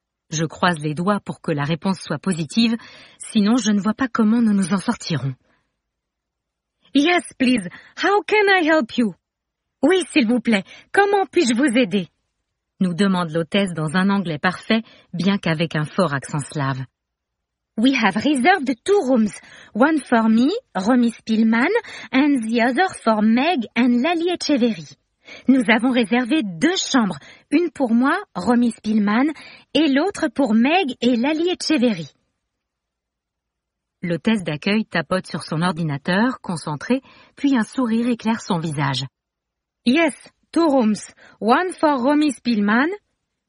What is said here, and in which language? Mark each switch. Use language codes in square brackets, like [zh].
[fr] Je croise les doigts pour que la réponse soit positive, sinon je ne vois pas comment nous nous en sortirons. [en] Yes, please. How can I help you? [fr] Oui, s'il vous plaît. Comment puis-je vous aider? Nous demande l'hôtesse dans un anglais parfait, bien qu'avec un fort accent slave. [en] We have reserved two rooms. One for me, Romy Spielman, and the other for Meg and Lali Echeverry. [fr] Nous avons réservé deux chambres. Une pour moi, Romy Spielman, et l'autre pour Meg et Lali Echeverry. L'hôtesse d'accueil tapote sur son ordinateur, concentrée, puis un sourire éclaire son visage. [en] « Yes, two rooms. One for Romy Spielman »,